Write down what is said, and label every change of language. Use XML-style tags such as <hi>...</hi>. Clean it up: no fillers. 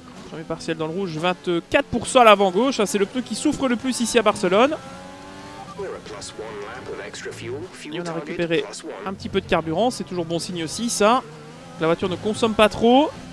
<fr>Premier partiel dans le rouge, 24% à l'avant gauche. Ah, c'est le pneu qui souffre le plus ici à Barcelone.</fr> <en>We're a plus one lap with extra fuel.</en> <fr>Et on a récupéré un petit peu de carburant. C'est toujours bon signe aussi, ça. La voiture ne consomme pas trop.</fr>